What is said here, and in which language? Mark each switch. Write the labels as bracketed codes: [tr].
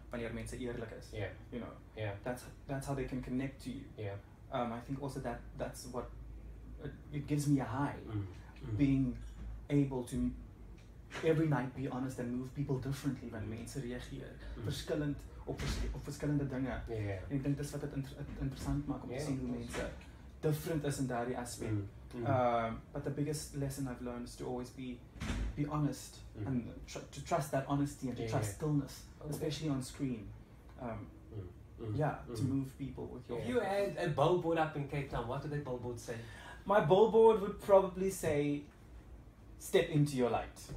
[en] When you're [nl] eerlijk is. [en] You know. Yeah. That's how they can connect to you. Yeah. I think also that's what it gives me a high. Mm-hmm. Being able to every night be honest and move people differently when [nl] mensen reageren. Verschillend op verschillende dingen. Yeah. En ik denk dat is wat het interessant maakt om te zien hoe mensen [en] different [nl] is in daardie aspect. [en] But the biggest lesson I've learned is to always be honest and to trust that honesty and to trust stillness, especially on screen. To move people with your... If you had a billboard up in Cape Town, what would that billboard say? My billboard would probably say, step into your light.